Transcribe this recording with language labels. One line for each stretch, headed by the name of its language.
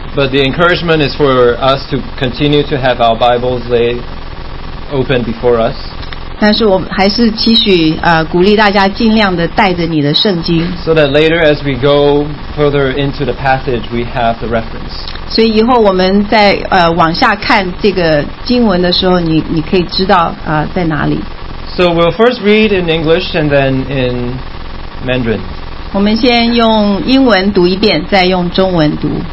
English: But the encouragement is for us to continue to have our Bibles laid open before us.
Chinese: 但是我还是期许, 鼓励大家尽量的带着你的圣经,
English: so that later as we go further into the passage, we have the reference.
Chinese: 所以以后我们在, 往下看这个经文的时候, 你可以知道, ,在哪里。
English: So we'll first read in English and then in Mandarin.
Chinese: 我们先用英文读一遍, 再用中文读。